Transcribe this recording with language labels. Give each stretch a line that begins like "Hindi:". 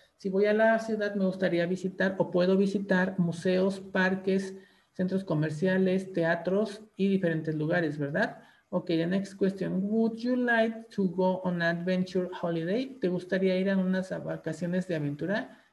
Spanish: Si voy a la ciudad, me gustaría visitar o puedo visitar museos, parques, centros comerciales, teatros y diferentes lugares, ¿verdad?
English: Ok, the next question. Would you like to go on an adventure holiday?
Spanish: ¿Te gustaría ir a unas vacaciones de aventura?